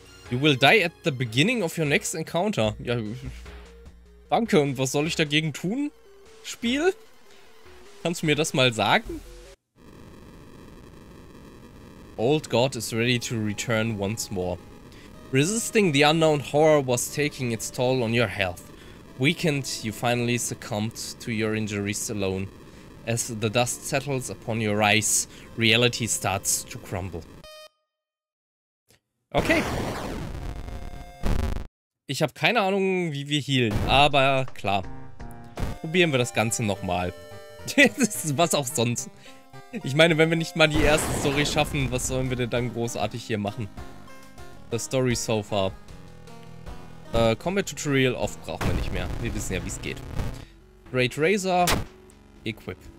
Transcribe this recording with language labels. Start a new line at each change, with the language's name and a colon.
English: You will die at the beginning of your next encounter.
German: Ja, danke, und was soll ich dagegen tun? Spiel? Kannst du mir das mal sagen?
English: Old God is ready to return once more. Resisting the unknown horror was taking its toll on your health. Weakened, you finally succumbed to your injuries alone. As the dust settles upon your eyes, reality starts to crumble. Okay.
German: Ich habe keine Ahnung, wie wir healen, aber klar. Probieren wir das Ganze nochmal. Was auch sonst. Ich meine, wenn wir nicht mal die erste Story schaffen, was sollen wir denn dann großartig hier machen?
English: The story so far.
German: Combat Tutorial oft brauchen wir nicht mehr. Wir wissen ja, wie es geht. Great Razor. Equip.